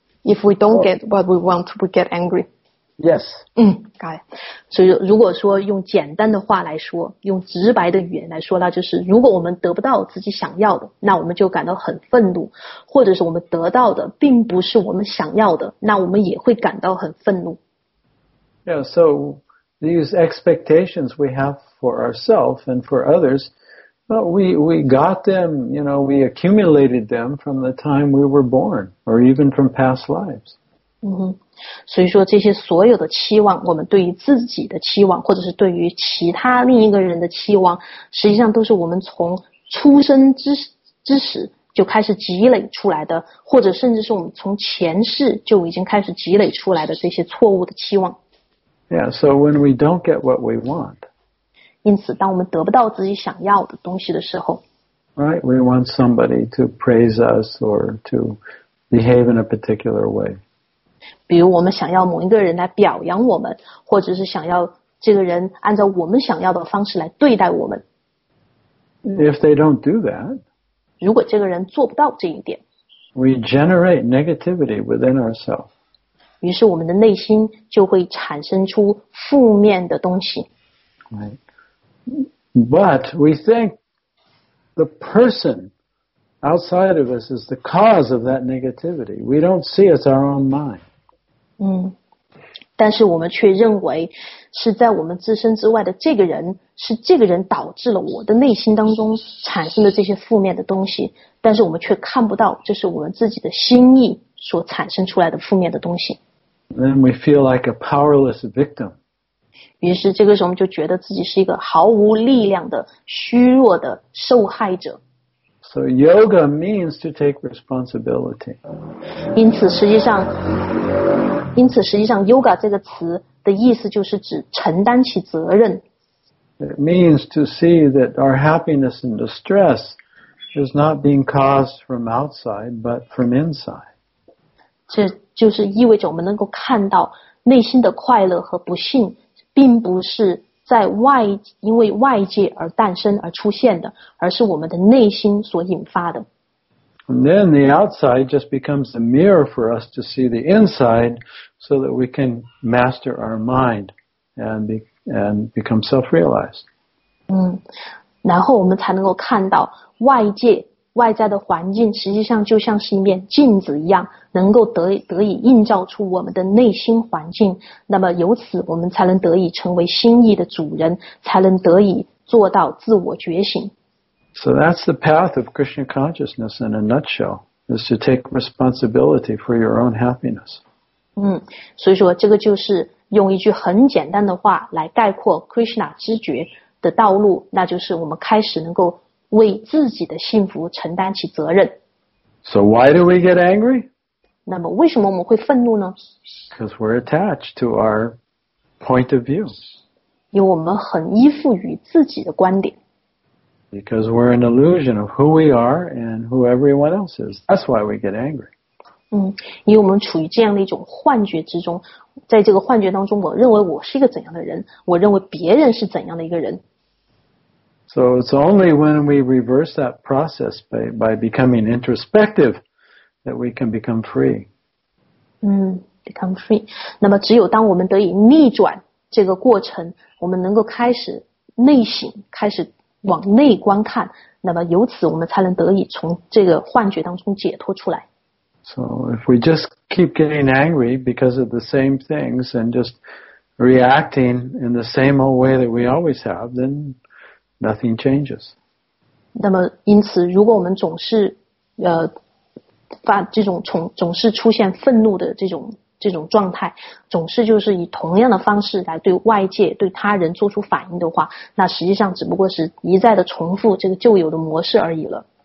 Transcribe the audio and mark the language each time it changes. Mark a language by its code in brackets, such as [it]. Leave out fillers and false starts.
[en] If we don't get what we want, we get angry. Yes. [zh] 嗯，对。所以如果说用简单的话来说，用直白的语言来说，那就是如果我们得不到自己想要的，那我们就感到很愤怒，或者是我们得到的并不是我们想要的，那我们也会感到很愤怒。 [en] Yeah, so these expectations we have for ourselves and for others, well, we got them, you know, we accumulated them from the time we were born, or even from past lives. [zh] 嗯哼，所以说这些所有的期望，我们对于自己的期望，或者是对于其他另一个人的期望，实际上都是我们从出生之时就开始积累出来的，或者甚至是我们从前世就已经开始积累出来的这些错误的期望。 [en] Yeah, so when we don't get what we want, [zh] 因此当我们得不到自己想要的东西的时候， [en] right, we want somebody to praise us or to behave in a particular way. [zh] 比如我们想要某一个人来表扬我们，或者是想要这个人按照我们想要的方式来对待我们。 [en] If they don't do that, [zh] 如果这个人做不到这一点， [en] we generate negativity within ourselves. [zh] 于是我们的内心就会产生出负面的东西。 [en] But we think the person outside of us is the cause of that negativity. We don't see it's our own mind. [zh] 但是我们却认为是在我们自身之外的这个人，是这个人导致了我的内心当中产生的这些负面的东西，但是我们却看不到这是我们自己的心意所产生出来的负面的东西。 [en] Then we feel like a powerless victim. [zh] 于是这个时候我们就觉得自己是一个毫无力量的虚弱的受害者。 [en] So yoga means to take responsibility. [zh] 因此实际上 yoga 这个词的意思就是指承担起责任。 [en] It means to see that our happiness and distress is not being caused from outside, but from inside. [zh] 这就是意味着我们能够看到内心的快乐和不幸并不是在外因为外界而诞生而出现的，而是我们的内心所引发的。 [en] And then the outside just becomes a mirror for us to see the inside so that we can master our mind and become self-realized. [zh] 然后我们才能够看到外界外在的环境实际上就像是一面镜子一样，能够得以映照出我们的内心环境，那么由此我们才能得以成为心意的主人，才能得以做到自我觉醒。 [en] So that's the path of Krishna consciousness in a nutshell, is to take responsibility for your own happiness. [zh] 所以说这个就是用一句很简单的话来概括 Krishna 知觉的道路，那就是我们开始能够为自己的幸福承担起责任。 [en] So why do we get angry? [zh] 那么为什么我们会愤怒呢？ [en] Because we're attached to our point of view. [zh] 因为我们很依附于自己的观点。 [en] Because we're an illusion of who we are and who everyone else is. That's why we get angry. [zh] 因为我们处于这样的一种幻觉之中，在这个幻觉当中，我认为我是一个怎样的人，我认为别人是怎样的一个人。 [en] So it's only when we reverse that process by becoming introspective that we can become free. Become free. [zh] 那么只有当我们得以逆转这个过程，我们能够开始内省，开始往内观看，那么由此我们才能得以从这个幻觉当中解脱出来。 [en] So if we just keep getting angry because of the same things and just reacting in the same old way that we always have, then nothing changes. [zh] 那么因此如果我们总是发这种总是出现愤怒的这种状态，总是就是以同样的方式来对外界对他人做出反应的话，那实际上只不过是一再的重复这个旧有的模式而已了。